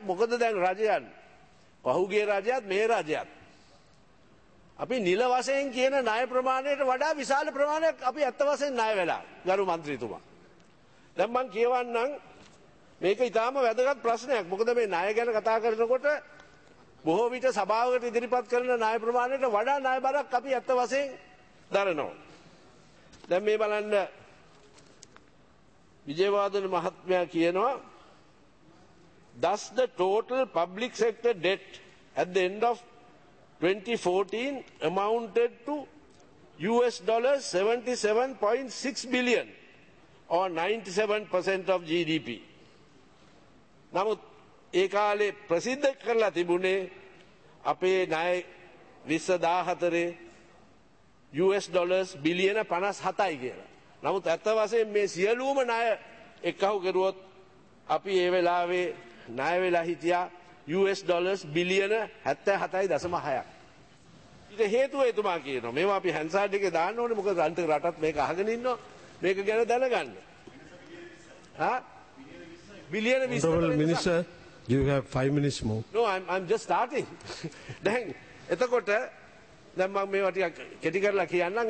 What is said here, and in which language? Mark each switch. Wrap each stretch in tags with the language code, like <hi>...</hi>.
<si>මොකද දැන් රජයන් පහුගිය රජයත් මේ රජයත් අපි නිල වශයෙන් කියන ණය ප්‍රමාණයට වඩා විශාල ප්‍රමාණයක් අපි ඇත්ත වශයෙන් ණය වෙලා ගරු මන්ත්‍රීතුමා. දැන් මම කියවන්නම් මේක ඉතාම වැදගත් ප්‍රශ්නයක්. මොකද මේ ණය ගැන කතා කරනකොට බොහෝ විට සභාවකට ඉදිරිපත් කරන ණය ප්‍රමාණයට වඩා ණය බරක් අපි ඇත්ත වශයෙන් දරනවා. දැන් මේ බලන්න විජේවාදන මහත්මයා කියනවා</si> <en>Thus the total public sector debt at the end of 2014 amounted to US dollars 77.6 billion or 97% of GDP.</en> <si>නමුත් ඒ කාලේ ප්‍රසිද්ධ කරලා තිබුණේ අපේ ණය 2014 US dollars billion 57යි කියලා. නමුත් ඇත්ත වශයෙන් මේ සියලුම ණය එකහු කරුවොත් අපි ඒ වෙලාවේ ණය වෙලා හිටියා US dollars billion 77.6ක්. ඉත හේතුව එතුමා කියනවා මේවා අපි හැන්සාඩ් එකේ දාන්න ඕනේ. මොකද අන්තිම රටත් මේක අහගෙන ඉන්නවා. මේක ගැන දැනගන්න. හා බිලියන 20.</si> <en>Honorable Minister, you have 5 minutes more. No, I'm just starting.</en> <si>දැන් එතකොට දැන් මම මේවා ටිකක් කෙටි කරලා කියන්නම්.</si>